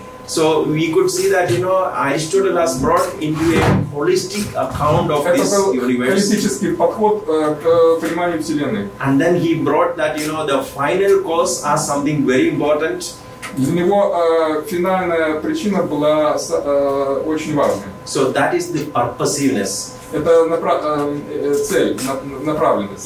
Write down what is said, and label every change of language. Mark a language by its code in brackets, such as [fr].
[en] So we could see that, you know, Aristotle has brought into a holistic account of this universe. [ru] Холистический подход к пониманию вселенной. [en] And then he brought that, you know, the final cause as something very important. [ru] Для него финальная причина была очень важной. [en] So that is the purposiveness. [ru] Это цель, направленность.